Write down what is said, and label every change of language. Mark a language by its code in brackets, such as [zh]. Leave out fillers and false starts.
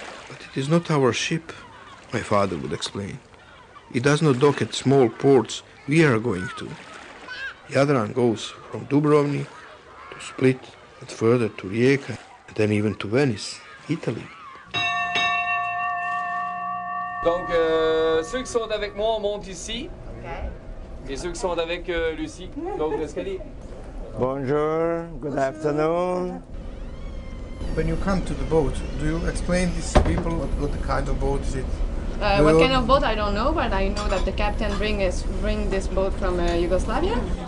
[en] It is not our ship, my father would explain. It does not dock at small ports we are going to. Jadran goes from Dubrovnik to Split and further to Rijeka and then even to Venice, Italy. [fr] Donc ceux qui sont avec moi montent ici. [en] Okay. [fr] Et ceux qui sont avec Lucie, donc l'escalier. Bonjour, [en] good afternoon. When you come to the boat, do you explain to these people what the kind of boat is it? What kind of boat, I don't know, but I know that the captain bring this boat from Yugoslavia.